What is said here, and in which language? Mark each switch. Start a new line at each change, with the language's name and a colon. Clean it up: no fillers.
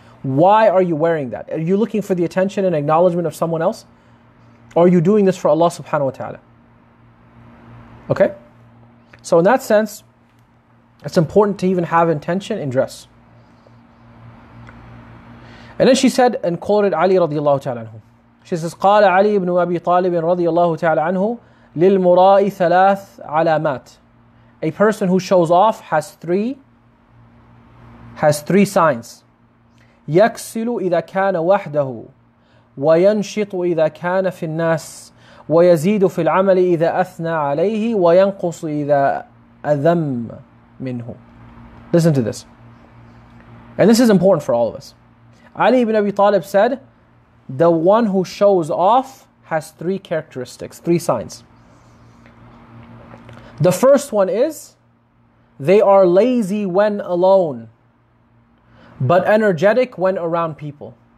English: Why are you wearing that? Are you looking for the attention and acknowledgement of someone else? Or are you doing this for Allah subhanahu wa ta'ala? Okay? So in that sense, it's important to even have intention in dress. And then she said and quoted Ali radiallahu ta'ala anhu. She says,
Arabic: قال علي بن أبي طالب رضي الله تعالى عنه للمراء ثلاث علامات.
English: A person who shows off has three signs.
Arabic: يكسل إذا كان وحده وينشط إذا كان في الناس ويزيد في العمل إذا أثنى عليه وينقص إذا أذم منه.
English: Listen to this. And this is important for all of us. Ali ibn Abi Talib said, the one who shows off has three characteristics, three signs. The first one is, they are lazy when alone, but energetic when around people.